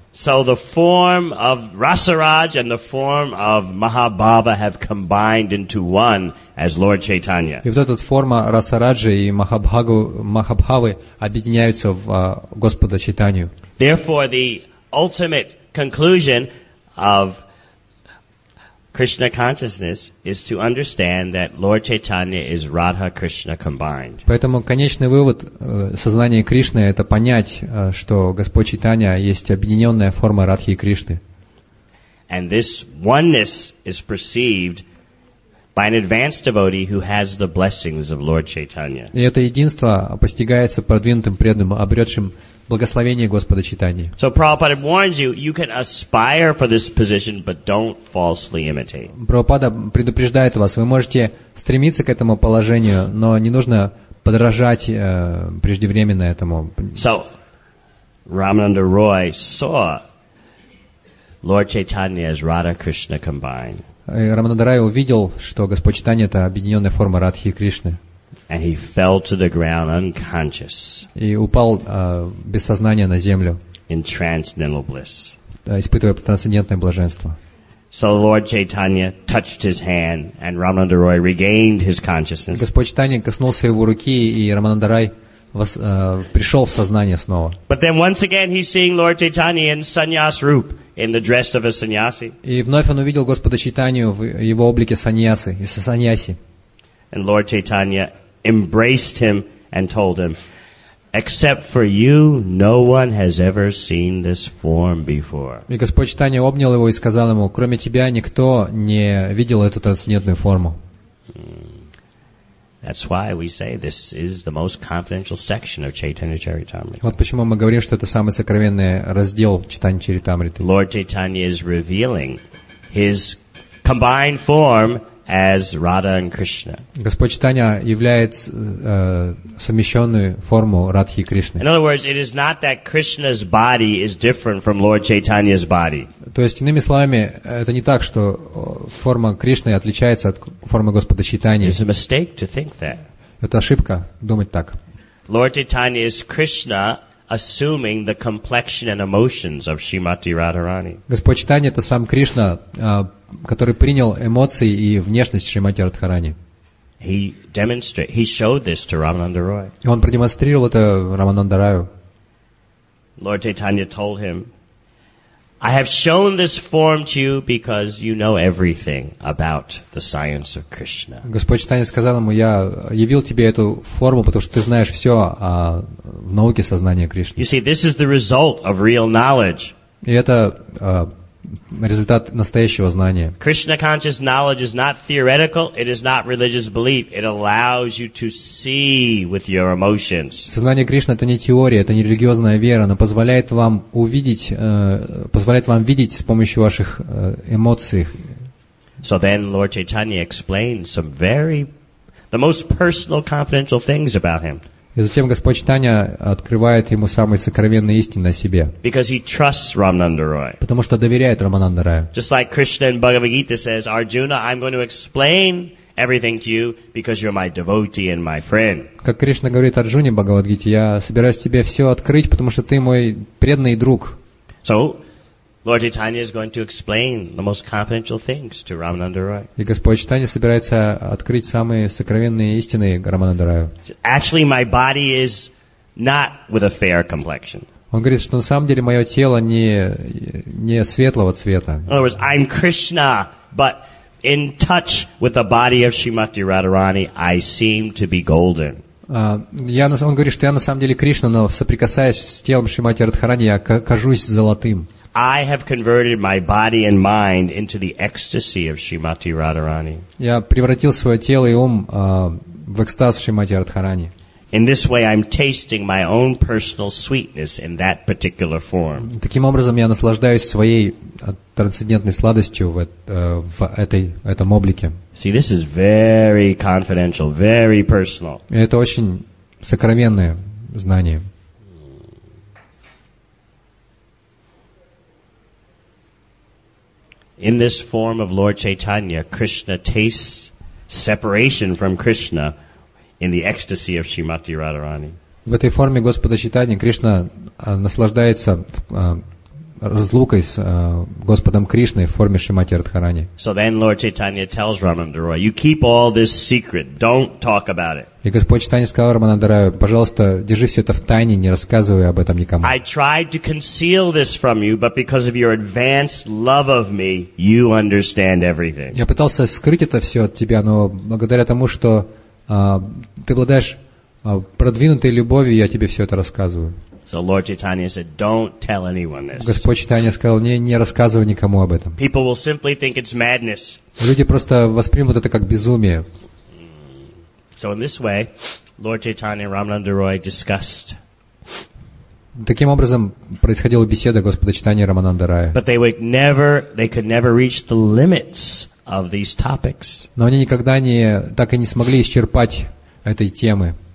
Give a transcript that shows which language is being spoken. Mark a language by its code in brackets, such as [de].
[en] So the form of Rasaraj and the form of Mahabhava have combined into one as Lord Chaitanya. [ru] И вот эта форма Расараджа и Махабхавы объединяются в Господа Чайтанью. [en] Therefore, the ultimate conclusion of Krishna consciousness is to understand that Lord Chaitanya is Radha Krishna combined. [ru] Поэтому конечный вывод сознания Кришны это понять, что Господь Чайтанья есть объединенная форма Радхи и Кришны. [en] And this oneness is perceived by an advanced devotee who has the blessings of Lord Chaitanya. [ru] И это единство постигается продвинутым преданным, обретшим благословение Господа Читания. [en] So Prabhupada warns you, you can aspire for this position, but don't falsely imitate. [ru] Прабхупада предупреждает вас, вы можете стремиться к этому положению, но не нужно подражать преждевременно этому. [en] So, Рамананда Рой saw Lord Chaitanya as Radha Krishna combined. [ru] Рамананда Рой увидел, что Господь Читания это объединенная форма Радхи и Кришны. [en] And he fell to the ground unconscious. [ru] И упал без сознания на землю. [en] In transcendental bliss. [ru] Испытывая трансцендентное блаженство. [en] So Lord Chaitanya touched his hand, and Рамананда Рой regained his consciousness. [ru] Господь Читания коснулся его руки, и Рамананда Рой пришел в сознание снова. [en] But then once again he's seeing Lord Chaitanya in sannyas roop, in the dress of a sannyasi. [ru] И вновь он увидел Господа Читанию в его облике саньясы, из саньяси. [en] And Lord Chaitanya embraced him and told him, "Except for you, no one has ever seen this form before." [ru] И Господь Читания обнял его и сказал ему: "Кроме тебя никто не видел эту трансцендентную форму." [en] That's why we say this is the most confidential section of Chaitanya Charitamrita. [ru] Вот почему мы говорим, что это самый сокровенный раздел Чайтаньи Чаритамриты. [en] Lord Chaitanya is revealing his combined form as Radha and Krishna. [ru] Господь Чайтанья является совмещенную форму Радхи и Кришны. [en] In other words, it is not that Krishna's body is different from Lord Chaitanya's body. [ru] То есть иными словами, это не так, что форма Кришны отличается от формы Господа Чайтаньи. [en] It's a mistake to think that. [ru] Это ошибка думать так. [en] Lord Chaitanya is Krishna assuming the complexion and emotions of Shrimati Radharani. [ru] Господь Чайтанья это сам Кришна, который принял эмоции и внешность Шримати Радхарани. И он продемонстрировал это Рамананда Раю. [en] Lord Chaitanya told him, "I have shown this form to you because you know everything about the science of Krishna." [ru] Господь Чайтанья сказал ему: "Я явил тебе эту форму, потому что ты знаешь все о в науке сознания Кришны." [en] You see, this is the result of real knowledge. [ru] И это результат настоящего знания. [en] Krishna conscious knowledge is not theoretical, it is not religious belief. It allows you to see with your emotions. [ru] Сознание Кришны это не теория, это не религиозная вера, оно позволяет вам увидеть, позволяет вам видеть с помощью ваших эмоций. [en] So then Lord Chaitanya explained some very the most personal confidential things about him. [ru] И затем Господь Чайтанья открывает ему самые сокровенные истины о себе. [en] Because he trusts Рамананда Рой. [ru] Потому что доверяет Рамананда Раю. [en] Just like Krishna in Bhagavad Gita says, "Arjuna, I'm going to explain everything to you because you're my devotee and my friend." [ru] Как Кришна говорит Арджуне в Бхагавад-гите, я собираюсь тебе все открыть, потому что ты мой преданный друг. [en] So, Lord Chaitanya is going to explain the most confidential things to Рамананда Рой. [ru] И Господь Чайтанья собирается открыть самые сокровенные истины Рамананда Раю. [en] Actually, my body is not with a fair complexion. [ru] Он говорит, что на самом деле мое тело не светлого цвета. [en] In other words, I'm Krishna, but in touch with the body of Shrimati Radharani, I seem to be golden. [ru] Он говорит, что я на самом деле Кришна, но соприкасаясь с телом Шримати Радхарани, я кажусь золотым. [en] I have converted my body and mind into the ecstasy of Shrimati Radharani. [ru] Я превратил свое тело и ум в экстаз Шримати Радхарани. [en] In this way, I'm tasting my own personal sweetness in that particular form. [ru] Таким образом, я наслаждаюсь своей трансцендентной сладостью в этом облике. [en] See, this is very confidential, very personal. [ru] Это очень сокровенное знание. [en] In this form of Lord Chaitanya, Krishna tastes separation from Krishna in the ecstasy of Shrimati Radharani. [ru] В этой форме Господа Чайтанья Кришна наслаждается разлукой с Господом Кришной в форме Шримати Радхарани. [en] So then Lord Chaitanya tells Рамананда Рой, "You keep all this secret. Don't talk about it." [ru] И Господь Чайтанья сказал Рамананда Рою: "Пожалуйста, держи все это в тайне, не рассказывай об этом никому." [en] I tried to conceal this from you, but because of your advanced love of me, you understand everything. [ru] Я пытался скрыть это все от тебя, но благодаря тому, что ты обладаешь продвинутой любовью, я тебе все это рассказываю. [en] So Lord Chaitanya said, "Don't tell anyone this." [ru] Господь Чайтанья сказал: "Не рассказывай никому об этом." [en] People will simply think it's madness. [ru] Люди просто воспримут это как безумие. [en] So in this way, Lord Chaitanya and Рамананда Рой discussed [ru] Таким образом происходила беседа Господа Чайтаньи Рамананды Рая. [en] But they would never, they could never reach the limits of these topics. [ru] Но они никогда не, так и не смогли исчерпать этой темы.